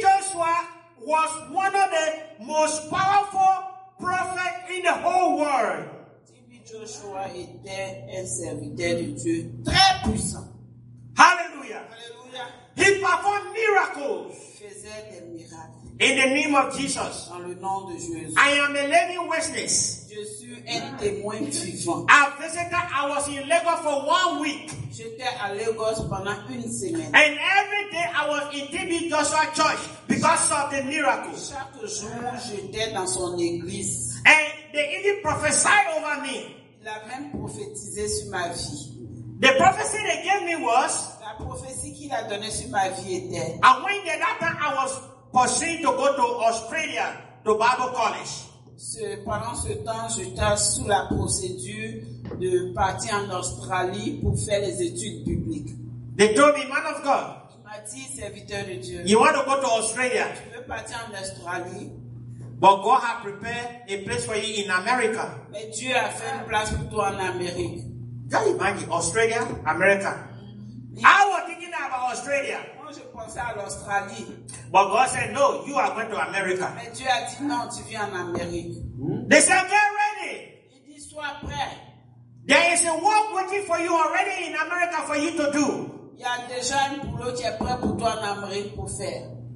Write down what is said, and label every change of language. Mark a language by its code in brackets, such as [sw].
[en] Joshua was one of the most powerful prophets in the whole world. D.B. [fr] Joshua était un serviteur de Dieu très puissant. [en] Hallelujah. Hallelujah. He performed miracles. [fr] Il faisait des miracles. [en] In the name of Jesus. [fr] Dans le nom de Jésus. [en] I am a living witness. [fr] Je suis un témoin vivant. [en] I visited, I was in Lagos for 1 week. [fr] J'étais à Lagos pendant une semaine. [en] And every day I was in D.B. Joshua Church because of the miracle. [fr] Chaque jour, j'étais dans son église. [en] And they even prophesied over me. [fr] Il a même prophétisé sur ma vie. [en] The prophecy they gave me was. [fr] La prophétie qu'il a donnée sur ma vie était. [en] I went there that time I was pursuing to go to Australia to Bible College. [fr] Pendant ce temps, j'étais sous la procédure de partir en Australie pour faire les études publiques. [en] They told me, man of God. [fr] Il m'a dit, serviteur de Dieu. [en] You want to go to Australia? [fr] Tu veux partir en Australie? [en] But God has prepared a place for you in America. [fr] Mais Dieu a fait une place pour toi en Amérique. [en] Can you imagine Australia, America? I was thinking about Australia. [fr] Moi, je pensais à l'Australie. [en] But God said, no, you are going to America. [fr] Mais Dieu a dit, non, tu viens en Amérique. [en] They said, get ready. [fr] Il dit, sois prêt. [en] There is a work waiting for you already in America for you to do. [fr] Il y a déjà un boulot qui est prêt pour toi en Amérique pour faire.